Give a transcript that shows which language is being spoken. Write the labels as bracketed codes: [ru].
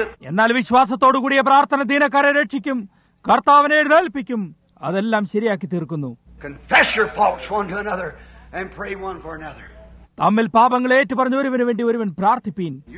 [ml] എന്നാൽ വിശ്വാസത്തോടുകൂടിയ പ്രാർത്ഥന ദീനക്കാരെ രക്ഷിക്കും, കർത്താവിനെ എഴുന്നേൽപ്പിക്കും, അതെല്ലാം ശരിയാക്കി തീർക്കുന്നു. [en] Confess your faults one to another and pray one for another. [ml] തമ്മിൽ പാപങ്ങൾ ഏറ്റുപറഞ്ഞു ഒരുവന് വേണ്ടി ഒരുവൻ പ്രാർത്ഥിപ്പീൻ.